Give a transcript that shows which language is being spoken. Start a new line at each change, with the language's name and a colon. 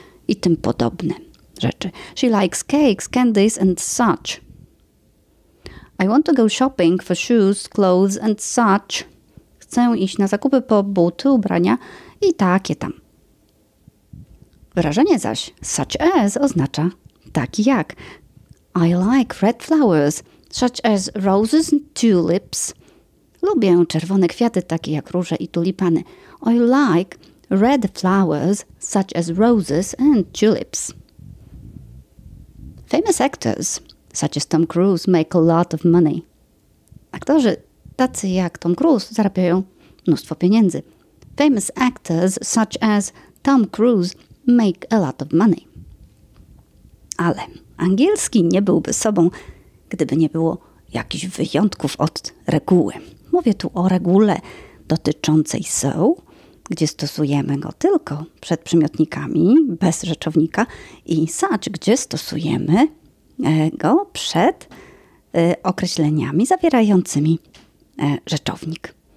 Polish: I tym podobne rzeczy.
English: She likes cakes, candies and such. I want to go shopping for shoes, clothes and such.
Polish: Chcę iść na zakupy po buty, ubrania i takie tam. Wyrażenie zaś such as oznacza taki jak.
English: I like red flowers, such as roses and tulips.
Polish: Lubię czerwone kwiaty, takie jak róże i tulipany.
English: I like red flowers, such as roses and tulips. Famous actors, such as Tom Cruise, make a lot of money.
Polish: Aktorzy tacy jak Tom Cruise zarabiają mnóstwo pieniędzy.
English: Famous actors, such as Tom Cruise, make a lot of money.
Polish: Ale angielski nie byłby sobą, gdyby nie było jakichś wyjątków od reguły. Mówię tu o regule dotyczącej so, gdzie stosujemy go tylko przed przymiotnikami, bez rzeczownika, i such, gdzie stosujemy go przed określeniami zawierającymi rzeczownik.